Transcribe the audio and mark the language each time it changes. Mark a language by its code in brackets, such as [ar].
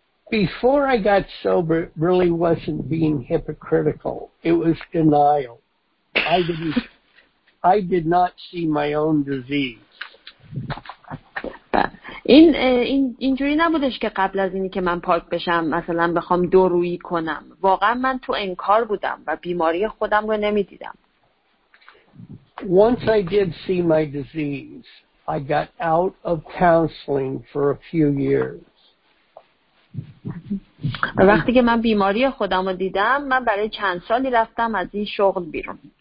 [en] Before I got sober, it really wasn't being hypocritical. It was denial. I did not see my own disease. [fa] این اینجوری نبودش که قبل از اینی که من پاک بشم مثلا بخوام دورویی کنم. واقعا من تو انکار بودم و بیماری خودم رو نمیدیدم. [en] Once I did see my disease, I got out of counseling for a few years. [fa] وقتی که من بیماری خودم رو دیدم، من برای چند سالی رفتم از این شغل بیرون.